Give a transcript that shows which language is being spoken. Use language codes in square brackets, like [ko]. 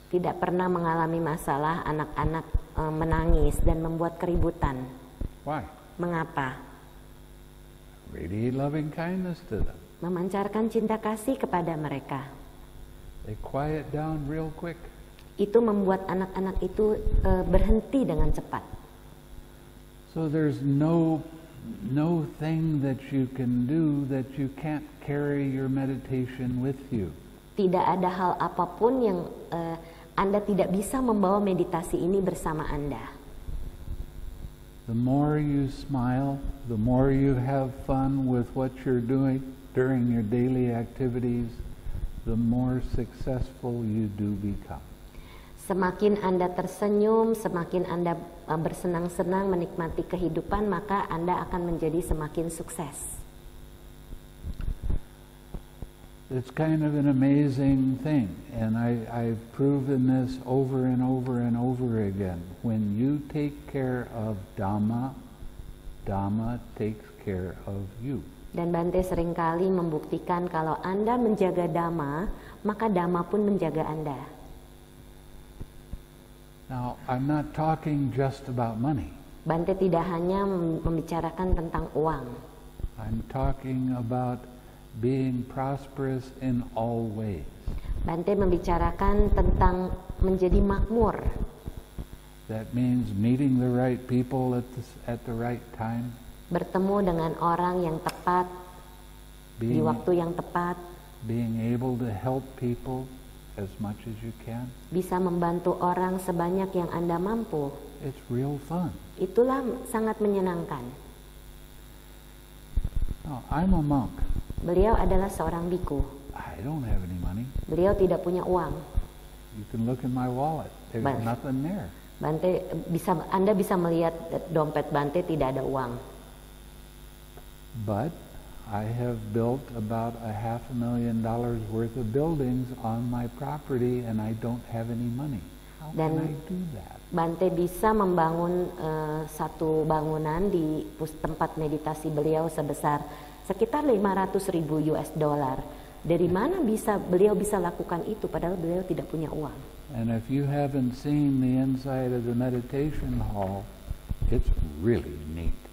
[id] Tidak pernah mengalami masalah anak-anak menangis dan membuat keributan. [en] Why? [id] Mengapa? [en] Radiate loving kindness to them. [id] Memancarkan cinta kasih kepada mereka. [en] They quiet down real quick. [id] Itu membuat anak-anak itu berhenti dengan cepat. [en] So there's no thing that you can do that you can't carry your meditation with you. [id] Tidak ada hal apapun yang Anda tidak bisa membawa meditasi ini bersama Anda. [en] The more you smile, the more you have fun with what you're doing during your daily activities, the more successful you do become. [id] Semakin Anda tersenyum, semakin Anda bersenang-senang menikmati kehidupan, maka Anda akan menjadi semakin sukses. [en] It's kind of an amazing thing, and I've proven this over and over and over again. When you take care of Dhamma, Dhamma takes care of you. [id] Dan Bante seringkali membuktikan kalau Anda menjaga Dhamma, maka Dhamma pun menjaga Anda. [en] Now, I'm not talking just about money. [id] Bante tidak hanya membicarakan tentang uang. [en] I'm talking about being prosperous in all ways. [id] Bante membicarakan tentang menjadi makmur. [en] That means meeting the right people at the right time. [id] Bertemu dengan orang yang tepat di waktu yang tepat. [en] Being able to help people as much as you can. [id] Bisa membantu orang sebanyak yang Anda mampu. [en] It's real fun. [id] Itulah sangat menyenangkan. [en] Now, I'm a monk. [id] Beliau adalah seorang biku. [en] I don't have any money. [id] Beliau tidak punya uang. [en] You can look in my wallet. There's nothing there. [id] Bante, bisa Anda bisa melihat dompet Bante tidak ada uang. [en] But I have built about $500,000 worth of buildings on my property and I don't have any money. How [id] Dan [en] can I do that? [id] Bante bisa membangun satu bangunan di tempat meditasi beliau sebesar sekitar $500,000. Dari mana beliau bisa lakukan itu padahal beliau tidak punya uang? [en] And if you haven't seen the inside of the meditation hall, it's really neat.